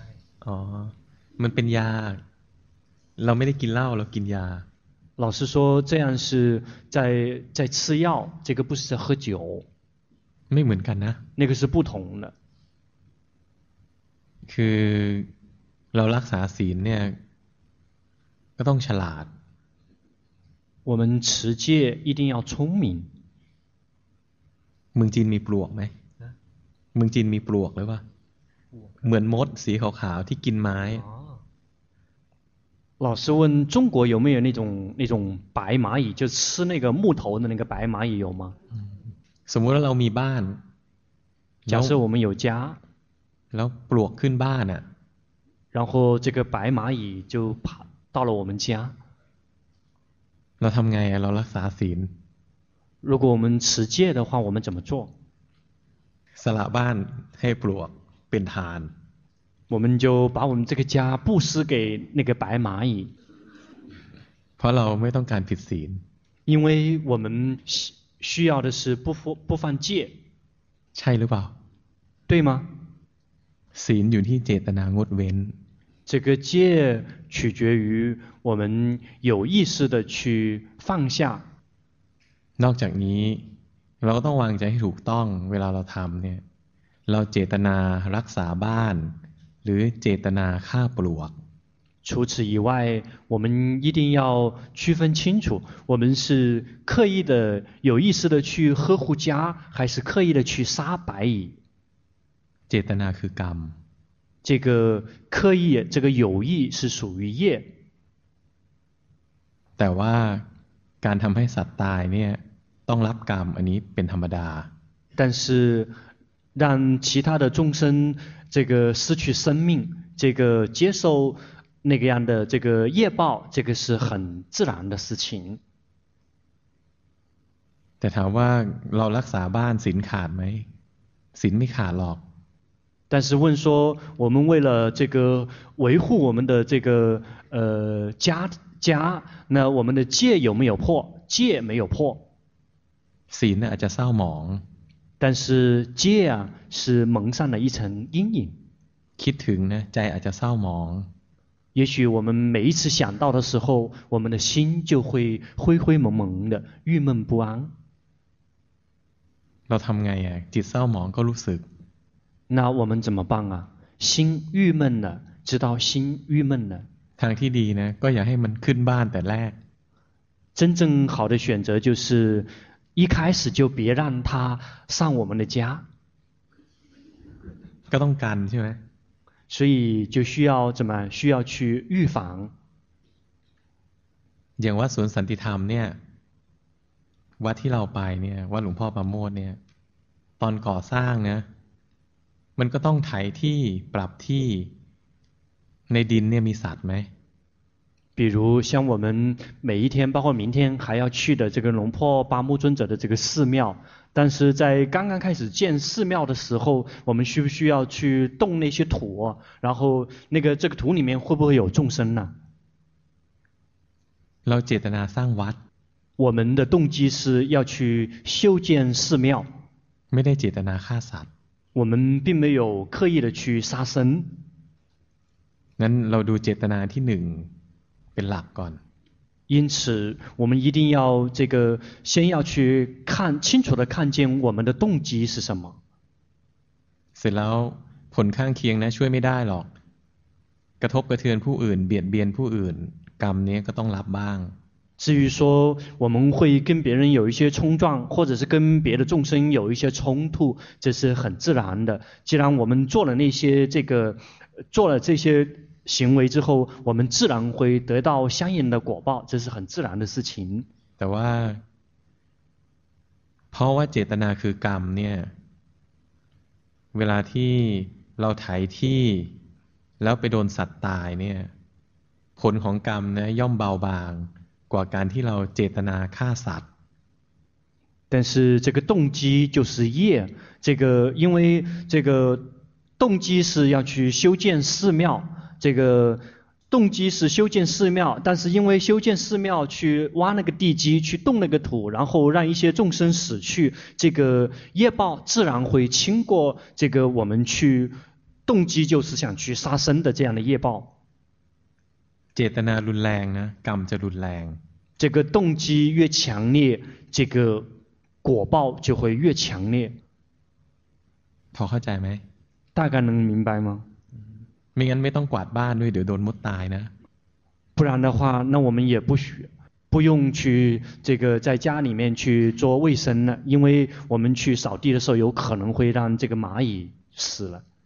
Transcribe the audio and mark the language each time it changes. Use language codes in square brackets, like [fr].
[th] อ๋อมันเป็นยาเราไม่ได้กินเหล้าเรากินยา [zh] 老师说这样是在吃药这个不是在喝酒 [th] ไม่เหมือนกันนะ [zh] 那个是不同的 [th] คือเรารักษาศีลเนี่ยก็ต้องฉลาด [zh] 我们持戒一定要聪明 [th] เมืองจีนมีปลวกไหมเมืองจีนมีปลวกหรือเปล่าเหมือนมดสีขาวๆที่กินไม้ [zh] 老师问中国有没有那种白蚂蚁，就吃那个木头的那个白蚂蚁有吗？ [th] สมมุติเรามีบ้าน， [zh] 假设我们有家， [th] แล้วปลวกขึ้นบ้านอ่ะ， [zh] 然后这个白蚂蚁就爬到了我们家， [th] เราทำไงอ่ะเรารักษาศีล， [zh] 如果我们持戒的话，我们怎么做？ [th] สละบ้านให้ปลวกเป็นทาน [zh] 我们就把我们这个家布施给那个白蚂蚁。 [th] เพราะเราไม่ต้องการผิดศีล [zh] 因为我们需要的是不犯戒。 [th] ใช่หรือเปล่า [zh] 对吗？ [th] ศีลอยู่ที่เจตนางดเว้น [zh] 这个戒取决于我们有意识的去放下。 [th] นอกจากนี้เราก็ต้องวางใจให้ถูกต้องเวลาเราทำเนี่ย เราเจตนารักษาบ้านหรือเจตนาฆ่าปลวก [zh] 除此以外我们一定要区分清楚我们是刻意的有意识的去呵护家还是刻意的去杀白蚁 [th] เจตนาคือกรรม [zh] 这个刻意这个有意是属于业 [th] แต่ว่าการทำให้สัตว์ตายเนี่ยต้องรับกรรมอันนี้เป็นธรรมดา [zh] 但是让其他的众生这个失去生命这个接受那个样的这个业报这个是很自然的事情 [th] แต่ถามว่าเรารักษาบ้านศีลขาดไหมศีลไม่ขาดหรอก [zh] 但是问说我们为了这个维护我们的这个家那我们的戒有没有破戒没有破 [th] ศีลอาจจะเศร้าหมอง แต่ [zh] 是戒啊是蒙上了一层阴影 [th] คิดถึงนะใจอาจจะเศร้าหมอง [zh] 也许我们每一次想到的时候我们的心就会灰灰蒙蒙的郁闷不安 [th] เราทำไงอ่ะจิตเศร้าหมองก็รู้สึก [zh] 那我们怎么办啊心郁闷了知道心郁闷了 [th] ทางที่ดีนะก็อย่าให้มันขึ้นบ้านแต่แรก [zh] 真正好的选择就是一开始就别让他上我们的家 [th] ก็ต้องกันใช่ไหม [zh] 所以就需要怎么需要去预防 [th] อย่างว่าสวนสันติธรรมเนี่ยวัดที่เราไปเนี่ยวัดหลวงพ่อประโมทเนี่ยตอนก่อสร้างนะมันก็ต้องไถที่ปรับที่ในดินเนี่ยมีสัตว์ไหม [zh] 比如像我们每一天包括明天还要去的这个龙破八木尊者的这个寺庙但是在刚刚开始建寺庙的时候我们需不需要去动那些土然后那个这个土里面会不会有众生呢 [th] เราเจตนาสร้างวัด [zh] 我们的动机是要去修建寺庙 [th] ไม่ได้เจตนาฆ่าสัตว์ [zh] 我们并没有刻意的去杀生 [th] งั้นเราดูเจตนาที่หนึ่งเป็นหลักก่อน [zh] 因此我们一定要这个先要去看清楚的看见我们的动机是什么 [th] เสร็จแล้วผลข้างเคียงนะช่วยไม่ได้หรอกกระทบกระเทือนผู้อื่นเบียดเบียนผู้อื่นกรรมนี้ก็ต้องรับบ้าง [zh] 至于说我们会跟别人有一些冲撞或者是跟别的众生有一些冲突这是很自然的既然我们做了那些这个做了这些行为之后我们自然会得到相应的果报这是很自然的事情 [th] แต่ว่าเพราะว่าเจตนาคือกรรมเนี่ยเวลาที่เราไถที่แล้วไปโดนสัตว์ตายเนี่ยผลของกรรมนะย่อมเบาบางกว่าการที่เราเจตนาฆ่าสัตว์ [zh] 但是这个动机就是业这个因为这个动机是要去修建寺庙这个动机是修建寺庙但是因为修建寺庙去挖那个地基去动那个土然后让一些众生死去这个业报自然会轻过这个我们去动机就是想去杀生的这样的业报 [th] เจตนารุนแรงนะกรรมจะรุนแรง [zh] 这个动机越强烈这个果报就会越强烈 [th] พอเข้าใจไหม [zh] 大概能明白吗 [th] ไม่งั้นไม่ต้องกวาดบ้านด้วยเดี๋ยวโดนมดตายนะ [zh] 不然的话那我们也不许不用去这个在家里面去做卫生了因为我们去扫地的时候有可能会让这个蚂蚁死了